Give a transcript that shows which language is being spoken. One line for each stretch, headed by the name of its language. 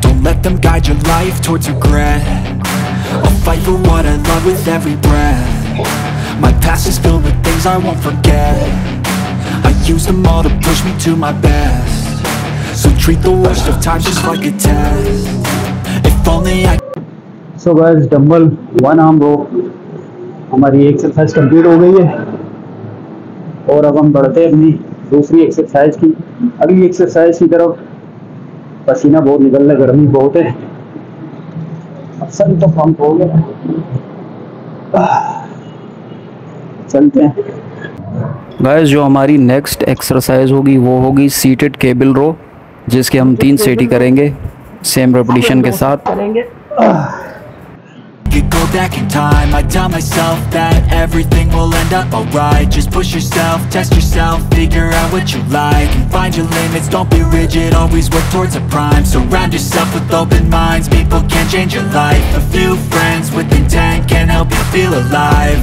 English: Don't let them guide your life towards regret. I'll fight for what I love with every breath. My past is filled with things I won't forget. I use them all to push me to my best. So treat the worst of times just like a test. If only I... So guys,
Hindi: dumbbell one arm row हमारी exercise complete हो गई है और अब हम बढ़ते हैं अपनी दूसरी एक्सरसाइज की अगली एक्सरसाइज की तरफ। पसीना बहुत निकल रहा है, गर्मी बहुत है, सब तो पंप हो गया, चलते हैं। गाइस जो हमारी नेक्स्ट एक्सरसाइज होगी वो होगी सीटेड केबल रो, जिसके हम 3 सेट ही करेंगे सेम रेपिटेशन के साथ।
English: You go back in time, I tell myself that everything will end up alright. Just push yourself, test yourself, figure out what you like and find your limits, don't be rigid, always work towards a prime. Surround yourself with open minds, people can change your life. A few friends with intent can help you feel alive.